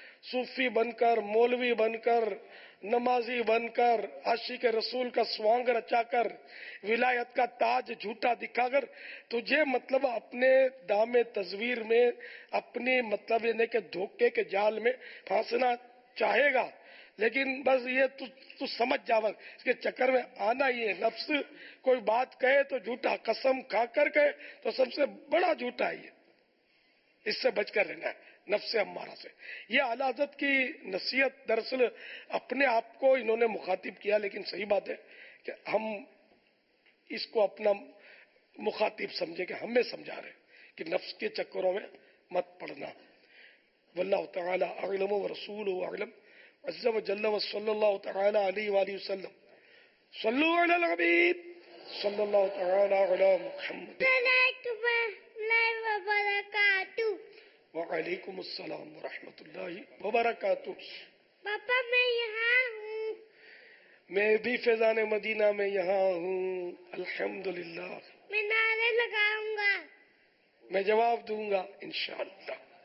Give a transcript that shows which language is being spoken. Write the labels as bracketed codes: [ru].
[ur] صوفی بن کر، مولوی بن کر، نمازی بن کر، عاشق رسول کا سوانگ رچا کر، ولایت کا تاج جھوٹا دکھا کر، تجھے مطلب اپنے دام تصویر میں، اپنے مطلب یعنی کہ دھوکے کے جال میں پھانسنا چاہے گا، لیکن بس یہ تو سمجھ جاور اس کے چکر میں آنا ہی ہے، نفس کوئی بات کہے تو جھوٹا، قسم کھا کر کہے تو سب سے بڑا جھوٹا ہے، اس سے بچ کر رہنا ہے نفس ہمارا سے. یہ اعلی حضرت کی نصیحت دراصل اپنے آپ کو انہوں نے مخاطب کیا، لیکن صحیح بات ہے کہ ہم اس کو اپنا مخاطب سمجھے کہ ہمیں سمجھا رہے ہیں کہ نفس کے چکروں میں مت پڑنا. [ar] واللہ تعالی اعلم ورسول اعلم عز وجل وصلى الله تعالى عليه وآله وسلم صلوا على الحبيب صلى الله تعالى على محمد السلام وبركاته. وعليكم السلام ورحمة الله وبركاته. [ur] بابا میں یہاں ہوں، میں بھی فیضان مدینہ میں یہاں ہوں الحمدللہ. میں نعرے لگاؤں گا، میں جواب دوں گا انشاءاللہ.